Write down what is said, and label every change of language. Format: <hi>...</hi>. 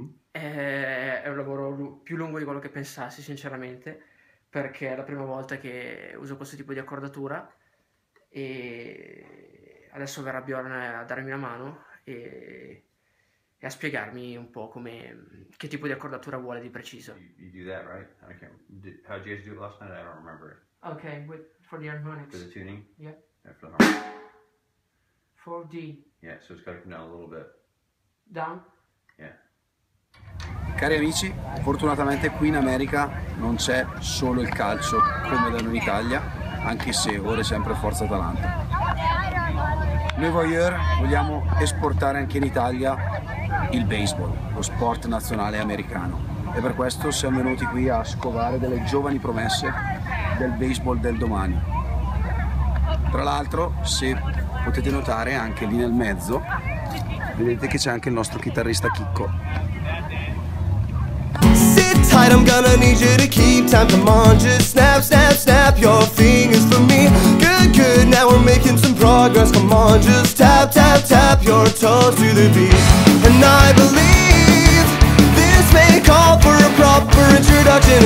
<it>È un lavoro più lungo di quello che pensassi, sinceramente, perché è la prima volta che uso questo tipo di accordatura. E adesso verrà Bjorn a darmi una mano e a spiegarmi un po' come, che tipo di accordatura vuole di preciso.</it> <en>You do that, right? How did you guys do it last night? I don't remember it. Okay, for the harmonics. For the tuning? Yeah. For the harmonics. 4D. Yeah, so it's got to come down a little bit. Down? Yeah.</en> <it>Cari amici, fortunatamente qui in America non c'è solo il calcio come da noi in Italia, anche se ora è sempre Forza Atalanta. Noi Voyeur vogliamo esportare anche in Italia il baseball, lo sport nazionale americano, e per questo siamo venuti qui a scovare delle giovani promesse del baseball del domani. Tra l'altro, se potete notare anche lì nel mezzo, vedete che c'è anche il nostro chitarrista Chicco.</it> <en>Tight, I'm gonna need you to keep time. Come on, just snap, snap, snap your fingers for me. Good, good, now we're making some progress. Come on, just tap, tap, tap your toes to the beat. And I believe this may call for a proper introduction.</en>